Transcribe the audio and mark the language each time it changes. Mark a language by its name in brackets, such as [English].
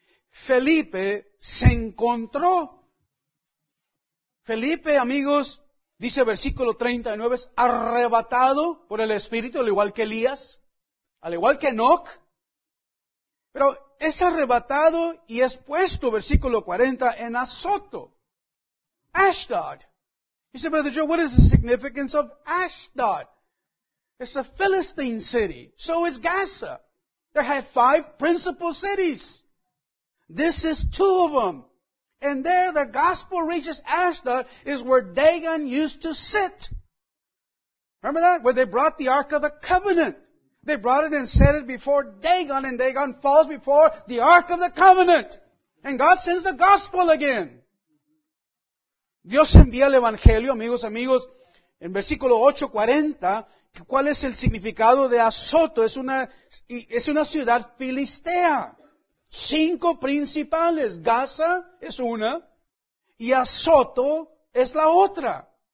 [Spanish] Felipe se encontró. Felipe, amigos, dice versículo 39, es arrebatado por el Espíritu, al igual que Elías, al igual que Enoch. Pero es arrebatado y es puesto, versículo 40, en Azoto, Ashdod. [English] He said, Brother Joe, what is the significance of Ashdod? It's a Philistine city. So is Gaza. They had five principal cities. This is two of them. And there the gospel reaches Ashdod, is where Dagon used to sit. Remember that? Where they brought the Ark of the Covenant. They brought it and set it before Dagon, and Dagon falls before the Ark of the Covenant. And God sends the gospel again. [Spanish] Dios envía el Evangelio, amigos, en versículo 8:40, ¿cuál es el significado de Azoto? Es una ciudad filistea. Cinco principales, Gaza es una, y Azoto es la otra.